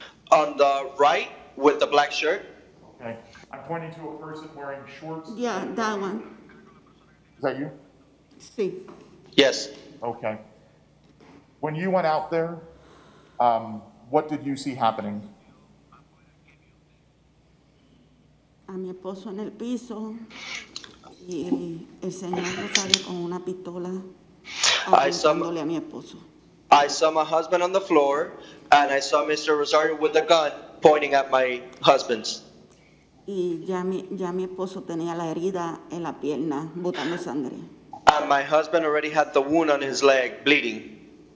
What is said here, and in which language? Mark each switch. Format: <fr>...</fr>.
<en>On the right with the black shirt. Okay. I'm pointing to a person wearing shorts. Yeah, that one. Is that you?</en> <es>Sí.</es> <en>Yes. Okay. When you went out there, what did you see happening?</en> <es>A mi esposo en el piso y el señor sale con una pistola apuntándole a mi esposo.</es> <en>I saw my husband on the floor and I saw Mr. Rosario with a gun pointing at my husband's.</en> <es>Y ya mi esposo tenía la herida en la pierna botando sangre.</es> <en>And my husband already had the wound on his leg bleeding.</en>